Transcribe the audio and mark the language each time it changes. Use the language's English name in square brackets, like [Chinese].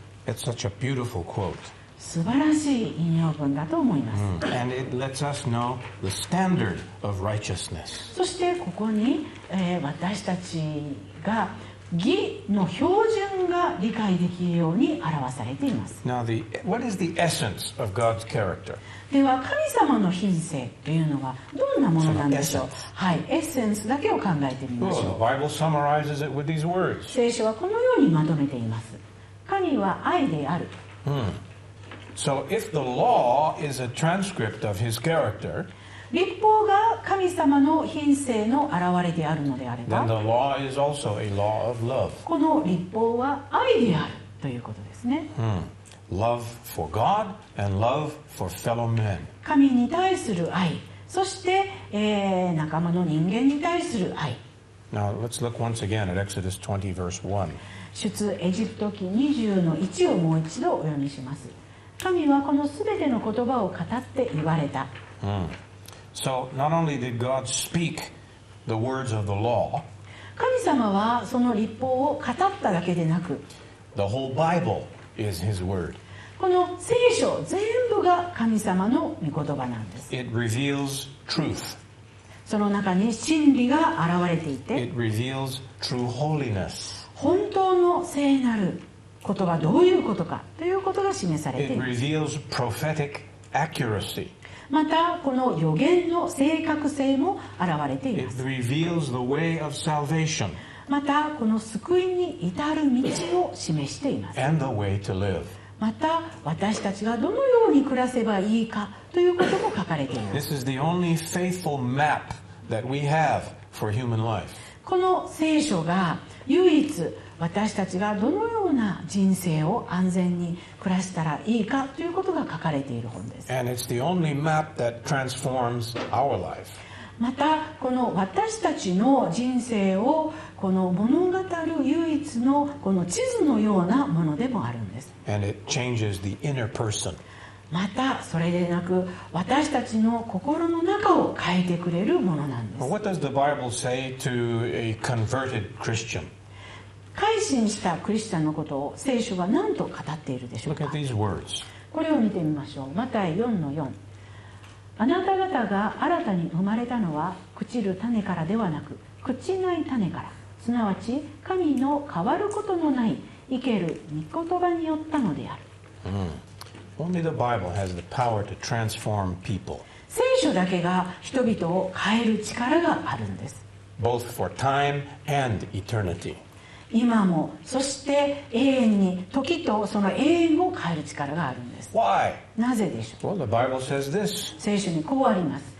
[English] It's such a beautiful quote. [Japanese] 素晴らしい引用文だと思います。 Mm. [English] And it lets us know the standard of righteousness. [Japanese] そしてここに、私たちが義の標準が理解できるように表されています。 [English] Now, what is the essence of God's character? [Japanese] では神様の品性というのはどんなものなんでしょう。はい、エッセンスだけを考えてみましょう。 [English] Well, the Bible summarizes it with these words. [Japanese] 聖書はこのようにまとめています。神は愛である。 Hmm. [English] So if the law is a transcript of his character, [Japanese] 律法が神様の品性の表れであるのであれば、 [English] Then the law is also a law of love. [Japanese] この律法は愛であるということですね。 Hmm. [English] Love for God and love for fellow men. [Japanese] 神に対する愛、そして、仲間の人間に対する愛。 [English] Now let's look once again at Exodus 20 verse 1. [Japanese] 出エジプト記20の1をもう一度お読みします。神はこのすべての言葉を語って言われた。 Hmm. [English] So not only did God speak the words of the law, [Japanese] 神様はその律法を語っただけでなく、 [English] the whole Bible is His word. [Japanese] この聖書全部が神様の御言葉なんです。 [English] It reveals truth. [Japanese] その中に真理が現れていて、 [English] it reveals true holiness. [Japanese] 本当の聖なることはどういうことかということが示されています。 [English] It reveals prophetic accuracy. [Japanese] またこの予言の正確性も現れています。 [English] It reveals the way of salvation. [Japanese] またこの救いに至る道を示しています。 [English] And the way to live. [Japanese] また私たちがどのように暮らせばいいかということも書かれています。 [English] This is the only faithful map that we have for human life. [Japanese] この聖書が唯一私たちがどのような人生を安全に暮らしたらいいかということが書かれている本です。 [English] And it's the only map that transforms our life. [Japanese] またこの私たちの人生をこの物語る唯一のこの地図のようなものでもあるんです。 [English] And it changes the inner person. [Japanese] またそれでなく私たちの心の中を変えてくれるものなんです。 [English] What does the Bible say to a converted Christian? [Japanese] 改心したクリスチャンのことを聖書は何と語っているでしょうか。 [English] Look at these words. [Japanese] これを見てみましょう。マタイ 4-4。あなた方が新たに生まれたのは朽ちる種からではなく朽ちない種から、すなわち神の変わることのない生ける御言葉によったのである。 [English] Only the Bible has the power to transform people. [Japanese] 聖書だけが人々を変える力があるんです。 [English] Both for time and eternity. [Japanese] 今もそして永遠に、時とその永遠を変える力があるんです。 [English] Why? [Japanese] なぜでしょう。 [English] Well, the Bible says this. [Japanese] 聖書にこうあります。